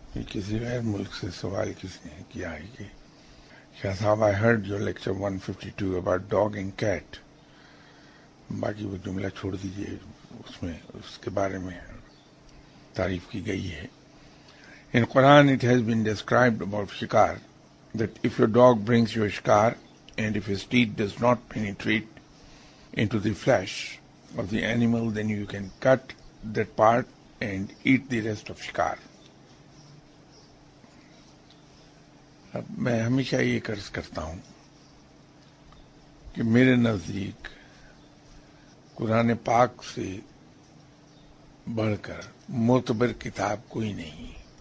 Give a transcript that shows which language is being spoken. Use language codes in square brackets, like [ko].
[ur] کسی غیر ملک سے سوال کس نے کیا ہے کہ شاہ صاحب [en] I heard your lecture 152 about dog and cat, [ur] باقی وہ جملہ چھوڑ دیجئے، اس میں اس کے بارے میں تعریف کی گئی ہے. [en] In Quran it has been described about shikar that if your dog brings you a shikar and if his teeth does not penetrate into the flesh of the animal then you can cut that part and eat the rest of shikar. [ur] اب میں ہمیشہ یہ قرض کرتا ہوں کہ میرے نزدیک قرآن پاک سے بڑھ کر معتبر کتاب کوئی نہیں.